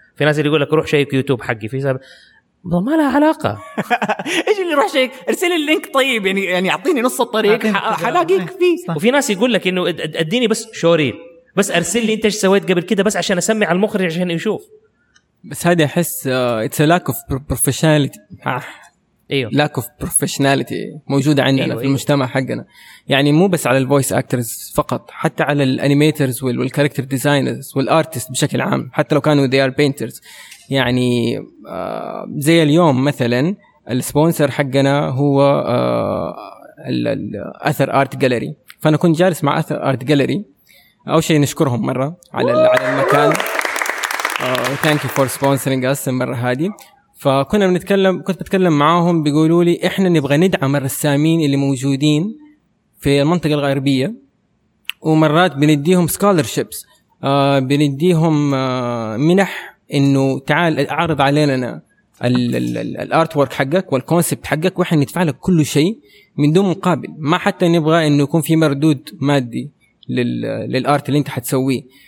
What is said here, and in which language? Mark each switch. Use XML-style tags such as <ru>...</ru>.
<ar>في ناس اللي يقول لك روح شيك يوتيوب حقي في سبب ما لها علاقة. إيش اللي روح شيك أرسل اللينك طيب يعني أعطيني نص الطريق حلاقيك فيه. وفي ناس يقول لك إنه أديني بس شوريل بس أرسل لي أنت إيش سويت قبل كده بس عشان أسمع المخرج عشان يشوف. بس هذا أحس</ar> <en>it's a lack of professionality.</en> <ar>أيوه.</ar> <en>lack of professionality</en> <ar>موجودة عندنا أيوه. في المجتمع حقنا يعني مو بس على الفويس أكترز فقط، حتى على الأنيميترز والكاركتر ديزاينرز والأرتست بشكل عام حتى لو كانوا</ar> <en>they are painters.</en> <ar>يعني زي اليوم مثلا السبونسر حقنا هو الأثر آرت جاليري، فأنا كنت جالس مع أثر آرت جاليري. أول شيء نشكرهم مرة على المكان.</ar> <en>Thank you for sponsoring us</en> <ar>المرة هذه. فكنا بنتكلم، كنت بتكلم معاهم بيقولوا لي إحنا نبغى ندعم الرسامين اللي موجودين في المنطقة الغربية، ومرات بنديهم scholarships بنديهم منح إنه تعال أعرض علينا الارت وورك حقك والكونسبت حقك وإحنا ندفع لك كل شيء من دون مقابل، ما حتى نبغى إنه يكون في مردود مادي للارت اللي أنت حتسويه.</ar>